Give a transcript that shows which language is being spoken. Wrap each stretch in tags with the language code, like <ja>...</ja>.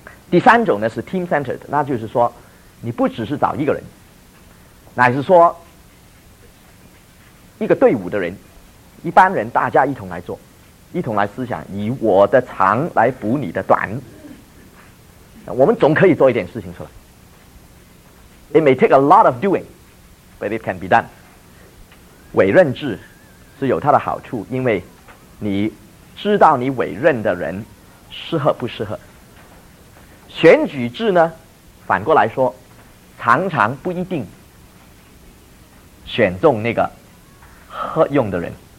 <zh>第三种呢是 team centered，那就是说你不只是找一个人，乃是说一个队伍的人，一般人大家一同来做，一同来思想，以我的长来补你的短，我们总可以做一点事情出来。</zh> <en>It may take a lot of doing, but it can be done。</en> <zh>委任制是有它的好处，因为你知道你委任的人适合不适合。选举制呢，反过来说，常常不一定选中那个合用的人。</zh>